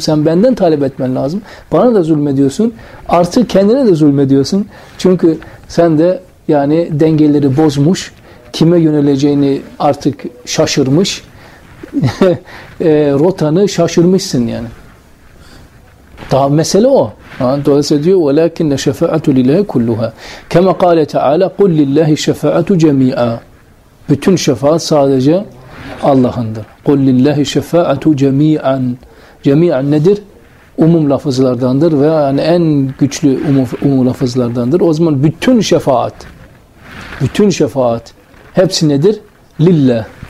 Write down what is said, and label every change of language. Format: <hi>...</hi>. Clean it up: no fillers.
<tr>Sen benden talep etmen lazım. Bana da zulmediyorsun. Artı kendine de zulmediyorsun. Çünkü sen de yani dengeleri bozmuş, kime yöneleceğini artık şaşırmış, rotanı şaşırmışsın yani. Daha mesele o. Dolayısıyla diyor,</tr> <ar>وَلَكِنَّ شَفَاعَةُ لِلَّهِ كُلُّهَا كَمَا قَالَ تَعَالَى قُلْ لِلَّهِ شَفَاعَةُ جَمِيعًا.</ar> <tr>Bütün şefaat sadece Allah'ındır.</tr> <ar>قُلْ لِلَّهِ شَفَاعَةُ جَمِيعًا.</ar> <tr>Cemiyan nedir? Umum lafızlardandır ve yani en güçlü umum lafızlardandır. O zaman bütün şefaat, bütün şefaat hepsi nedir? Lillah.</tr>